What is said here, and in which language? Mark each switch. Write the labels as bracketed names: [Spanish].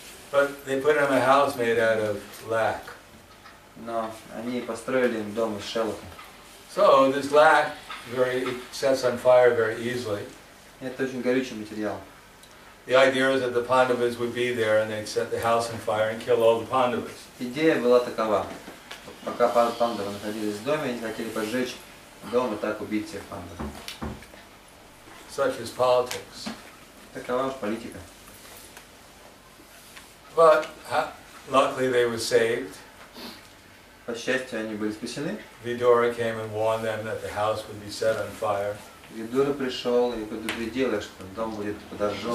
[English] But they put him a house made out of lac. [Russian] No, они построили им дом из шелка. [English] So this lac sets on fire very easily. [Russian] Это очень горючий материал. [English] The idea is that the Pandavas would be there and they'd set the house on fire and kill all the Pandavas. [Russian] Идея была такова. Пока Пандавы находились в доме, они хотели поджечь дом и так убить всех Пандав. [English] Such is politics. [Russian] Такова уж политика. [English] But luckily they were saved. [Russian] По счастью, они были спасены. [English] Vidura came and warned them that the house would be set on fire. [Russian] Vidura пришел и предупредил их, что дом будет подожжен.